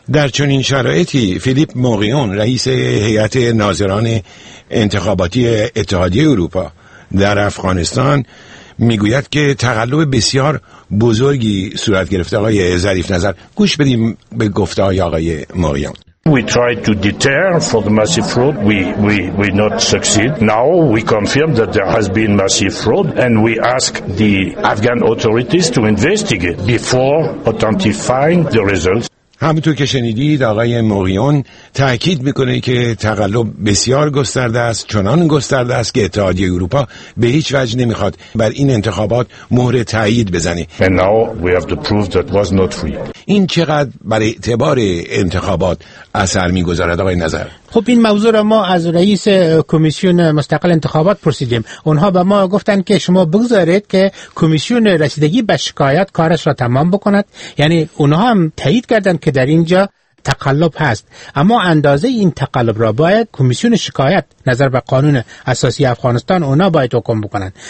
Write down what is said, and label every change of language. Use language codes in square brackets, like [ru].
[fa] در چنین شرایطی فیلیپ موقیون، رئیس هیئت ناظران انتخاباتی اتحادیه اروپا در افغانستان، میگوید که تقلب بسیار بزرگی صورت گرفته. آقای ظریف نظر، گوش بدیم به گفته های آقای موقیون. [en] We tried to deter for the massive fraud. We not succeed. Now we confirm that there has been massive fraud, and we ask the Afghan authorities to investigate before authentifying the results. [fa] همونطور که شنیدید، آقای موقیون تأکید میکنه که تقلب بسیار گسترده است، چنان گسترده است که اتحادیه اروپا به هیچ وجه نمیخواد بر این انتخابات مهر تأیید بزنه. [en] And now we have to prove that was not free. [fa] این چقدر بر اعتبار انتخابات اثر میگذارد آقای نظر؟ خب این موضوع را ما از رئیس کمیسیون مستقل انتخابات پرسیدیم. اونها به ما گفتند که شما بگذارید که کمیسیون رسیدگی به شکایات کارش را تمام بکند. یعنی اونها هم تایید کردند که در اینجا تقلب هست، اما اندازه این تقلب را باید کمیسیون شکایت نظر به قانون اساسی افغانستان اونها باید حکم بکنند.